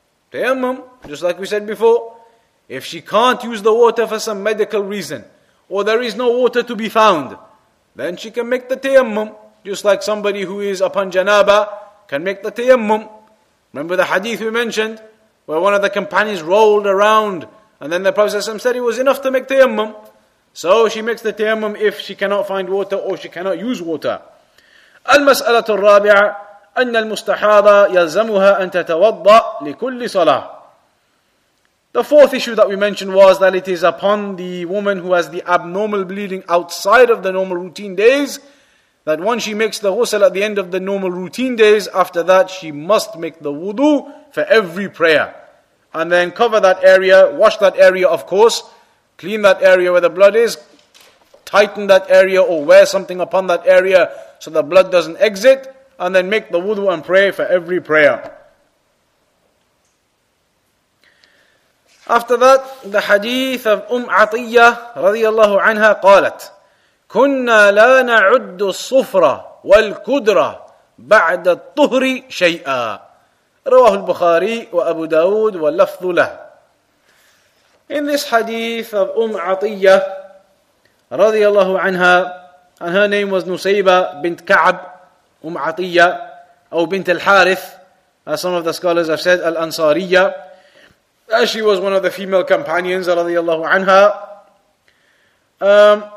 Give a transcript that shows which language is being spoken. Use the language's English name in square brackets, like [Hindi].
[English] Tayammum, just like we said before. If she can't use the water for some medical reason, or there is no water to be found, then she can make the tayammum, just like somebody who is upon janaba can make the tayammum. Remember the hadith we mentioned, where one of the companions rolled around, and then the Prophet said it was enough to make tayammum. So she makes the tayammum if she cannot find water or she cannot use water. [Arabic] المسألة الرابعة أن المستحاضة يلزمها أن تتوضأ لكل صلاة. [English] The fourth issue that we mentioned was that it is upon the woman who has the abnormal bleeding outside of the normal routine days, that once she makes the ghusl at the end of the normal routine days, after that she must make the wudu for every prayer. And then cover that area, wash that area of course, clean that area where the blood is, tighten that area or wear something upon that area so the blood doesn't exit, and then make the wudu and pray for every prayer. After that, the hadith of [Arabic] Atiyyah radiyallahu anha qalat, kunna la na'uddu as-sufra wal-kudra ba'da at-tuhri shay'a. رواه البخاري وأبو داود واللفظ له. [English] In this hadith of Atiyyah رضي الله عنها, and her name was Nusayba bint Ka'ab, Atiyyah, or bint al-Harith, as some of the scholars have said, al-Ansariya, as she was one of the female companions رضي الله عنها.